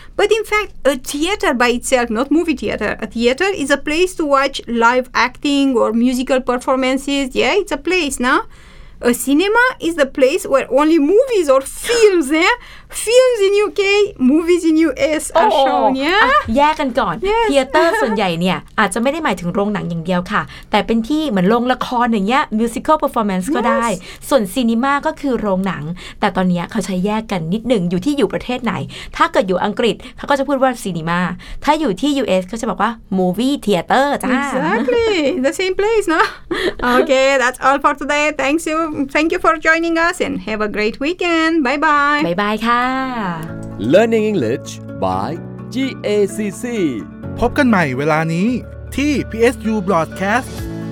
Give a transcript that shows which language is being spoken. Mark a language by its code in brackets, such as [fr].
[en] But in fact, a theater by itself, not movie theater, a theater is a place to watch live acting or musical performances. Yeah, it's a place, no? A cinema is the place where only movies or films, yeah? Films in UK, movies in US are shown, yeah? [th] แยกกันก่อน Theater ส่วนใหญ่เนี่ยอาจจะไม่ได้หมายถึงโรงหนังอย่างเดียวค่ะแต่เป็นที่เหมือนโรงละครอย่างเงี้ย [en] Musical performance [th] ก็ได้ส่วน cinema ก็คือโรงหนังแต่ตอนนี้เขาใช้แยกกันนิดหนึ่งอยู่ที่อยู่ประเทศไหนถ้าเกิดอยู่อังกฤษเขาก็จะพูดว่า cinema ถ้าอยู่ที่ US เขาจะบอกว่า [en] movie theater [th] จ้า [en] Exactly the same place, no? Okay, that's all for today. Thank you for joining us and have a great weekend. Bye bye. Bye bye [th] ค่ะ [en] Learning English by GACC [th] พบกันใหม่เวลานี้ที่ PSU Broadcast